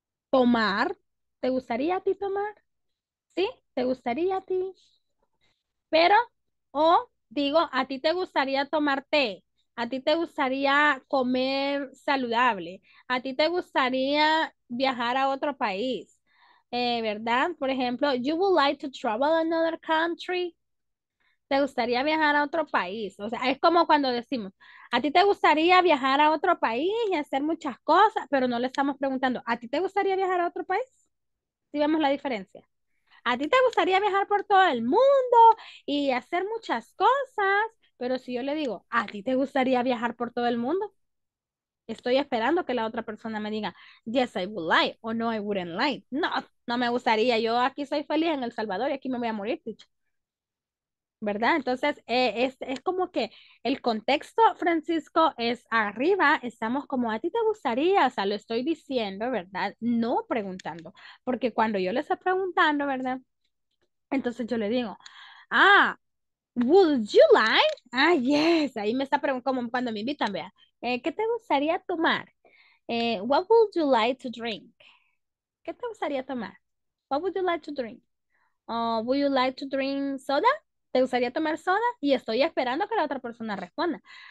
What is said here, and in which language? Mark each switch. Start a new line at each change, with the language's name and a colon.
Spanish: ¿Tomar? ¿Te gustaría a ti tomar? ¿Sí? ¿Te gustaría a ti? Pero, o digo, ¿a ti te gustaría tomar té? ¿A ti te gustaría comer saludable? ¿A ti te gustaría viajar a otro país? ¿Verdad? Por ejemplo,
English: you would like to travel another country?
Spanish: ¿Te gustaría viajar a otro país? O sea, es como cuando decimos, ¿a ti te gustaría viajar a otro país y hacer muchas cosas? Pero no le estamos preguntando, ¿a ti te gustaría viajar a otro país? Si vemos la diferencia. ¿A ti te gustaría viajar por todo el mundo y hacer muchas cosas? Pero si yo le digo, ¿a ti te gustaría viajar por todo el mundo? Estoy esperando que la otra persona me diga,
English: yes, I would like,
Spanish: o no,
English: I wouldn't like.
Spanish: No, no me gustaría. Yo aquí soy feliz en El Salvador y aquí me voy a morir, dicho. ¿Verdad? Entonces, es como que el contexto, Francisco, es arriba. Estamos como, ¿a ti te gustaría? O sea, lo estoy diciendo, ¿verdad? No preguntando. Porque cuando yo le estoy preguntando, ¿verdad? Entonces yo le digo, ah,
English: would you like? Ah, yes.
Spanish: Ahí me está preguntando, como cuando me invitan, vea. ¿Qué te gustaría tomar?
English: What would you like to drink? ¿Qué te gustaría tomar? What would you like to drink? Would you like to drink soda?
Spanish: ¿Te gustaría tomar soda? Y estoy esperando que la otra persona responda.